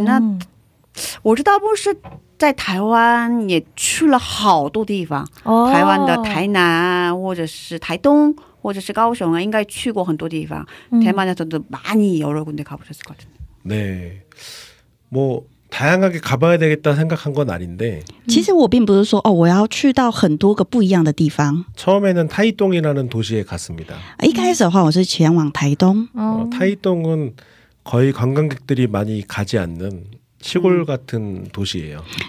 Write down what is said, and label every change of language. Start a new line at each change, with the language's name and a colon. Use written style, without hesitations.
Chinese: 19次，对对对对对，哇，下周的时候，下个礼拜的时候，我也会再前往台湾。哇，那一共20次，对，哇，这么多，我是前往台湾。对，那我知道不是。在台湾也去了好多地方，台湾的台南，或者是台东，或者是高雄啊，应该去过很多地方。台湾的真的
Korean: 많이 여러 군데 가보셨을 것 같은데. 네, 뭐 다양하게 가봐야 되겠다 생각한 건 아닌데.
Chinese: 其实我并不是说哦，我要去到很多个不一样的地方。
Korean: 처음에는 타이동이라는 도시에 갔습니다.
Chinese: 一开始的话，我是前往台东。
Korean: 타이동은 거의 관광객들이 많이 가지 않는 시골 같은 도시예요.